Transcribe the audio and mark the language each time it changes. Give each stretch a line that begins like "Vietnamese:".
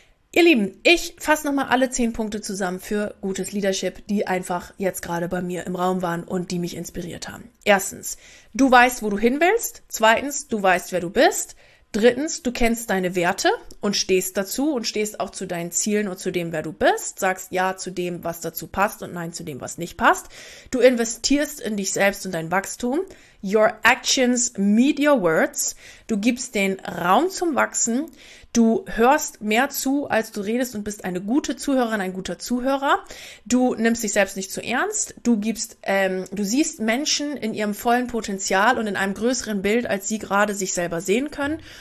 German: Ihr Lieben, ich fasse nochmal alle 10 Punkte zusammen für gutes Leadership, die einfach jetzt gerade bei mir im Raum waren und die mich inspiriert haben. Erstens, du weißt, wo du hin willst. Zweitens, du weißt, wer du bist. Drittens, du kennst deine Werte und stehst dazu und stehst auch zu deinen Zielen und zu dem, wer du bist. Sagst ja zu dem, was dazu passt und nein zu dem, was nicht passt. Du investierst in dich selbst und dein Wachstum.
English: Your actions meet your words.
German: Du gibst den Raum zum Wachsen. Du hörst mehr zu, als du redest und bist eine gute Zuhörerin, ein guter Zuhörer. Du nimmst dich selbst nicht zu ernst. Du siehst Menschen in ihrem vollen Potenzial und in einem größeren Bild, als sie gerade sich selber sehen können.